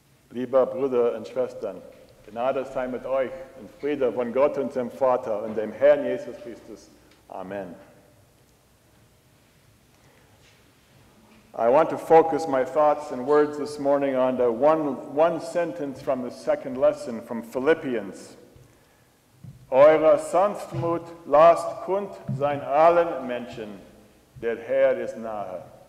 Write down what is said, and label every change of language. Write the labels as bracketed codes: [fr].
[de] Liebe Brüder und Schwestern, Gnade sei mit euch und Friede von Gott, unserem Vater und dem Herrn Jesus Christus. Amen. [en] I want to focus my thoughts and words this morning on the one sentence from the second lesson from Philippians. [de] Eure Sanftmut lasst kund sein allen Menschen, der Herr ist nahe.